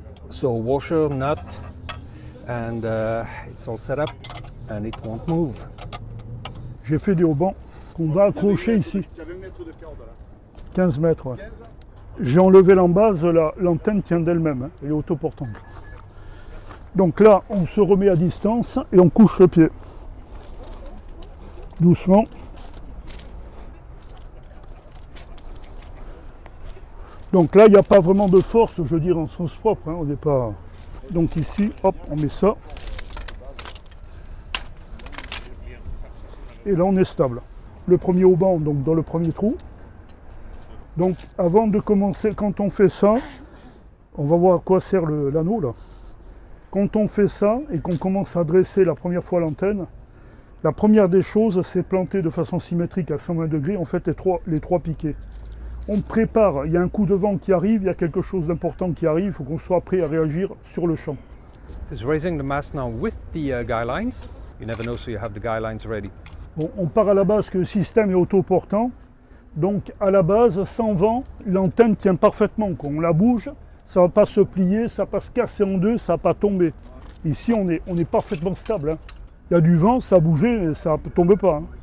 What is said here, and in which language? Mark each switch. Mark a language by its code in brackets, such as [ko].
[en] So washer, nut, and it's all set up and it won't move. [fr] J'ai fait des haubans qu'on va accrocher ici. 15 mètres, ouais. J'ai enlevé l'embase, l'antenne tient d'elle-même, hein. Elle est autoportante. Donc là, on se remet à distance et on couche le pied. Doucement. Donc là, il n'y a pas vraiment de force, je veux dire, en sens propre, hein, au départ. Donc ici, hop, on met ça. Et là, on est stable. Le premier auban, donc dans le premier trou. Donc avant de commencer, quand on fait ça, on va voir à quoi sert l'anneau, là. Quand on fait ça et qu'on commence à dresser la première fois l'antenne, la première des choses, c'est planter de façon symétrique à 120 degrés, en fait, les trois piquets. On prépare, il y a un coup de vent qui arrive, il y a quelque chose d'important qui arrive, il faut qu'on soit prêt à réagir sur le champ. [en] It's raising the mast now with the guy lines. You never know, so you have the guy lines ready. [fr] Bon, on part à la base que le système est autoportant. Donc, à la base, sans vent, l'antenne tient parfaitement. Quand on la bouge, ça ne va pas se plier, ça ne va pas se casser en deux, ça ne va pas tomber. Ici, on est parfaitement stable. Hein. Il y a du vent, ça a bougé, mais ça ne tombe pas. Hein.